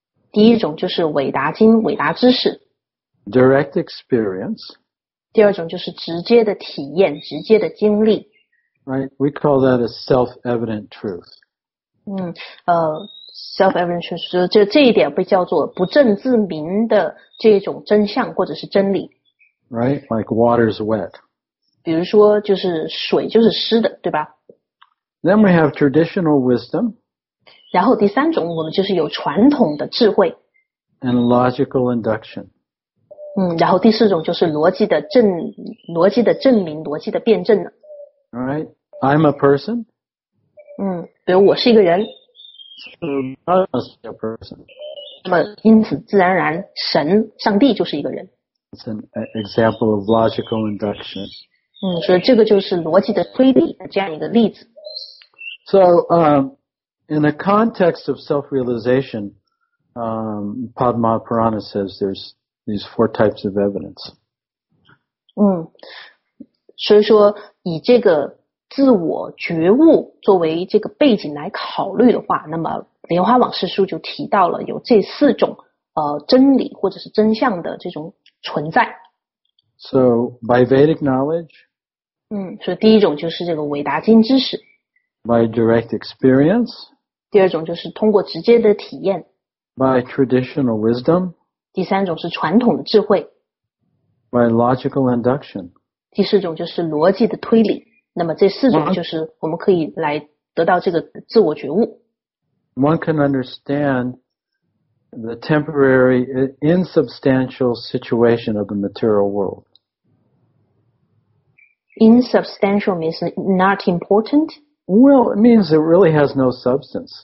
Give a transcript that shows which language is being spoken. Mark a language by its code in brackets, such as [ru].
[zh] 第一种就是韦达经韦达知识。 [en] Direct experience. [zh] 第二种就是直接的体验直接的经历。 [en] Right, we call that a self-evident truth. Self-evident truth, [zh] 这一点被叫做不证自明的这种真相或者是真理。 [en] Right, like water is wet. [zh] 比如说就是水就是湿的对吧 [en] Then we have traditional wisdom. [zh] 然后第三种我们就是有传统的智慧 [en] And logical induction. [zh] 然后第四种就是逻辑的证明逻辑的辩证 [en] 了 Alright, I'm a person. [zh] 比如我是一个人 [en] So I must be a person. [zh] 那么因此自然而然神上帝就是一个人 [en] It's an example of logical induction. [zh] 所以这个就是逻辑的推理的这样一个例子。 [en] So, in the context of self-realization, Padma Purana says there's these four types of evidence. [zh] 所以说以这个自我觉悟作为这个背景来考虑的话，那么莲花往事书就提到了有这四种真理或者是真相的这种存在。 [en] So, by Vedic knowledge, [zh] 所以第一种就是这个韦达经知识 [en] by direct experience [zh] 第二种就是通过直接的体验 [en] by traditional wisdom [zh] 第三种是传统的智慧 [en] by logical induction [zh] 第四种就是逻辑的推理那么这四种就是我们可以来得到这个自我觉悟 [en] one can understand the temporary insubstantial situation of the material world insubstantial means not important? Well, it means it really has no substance.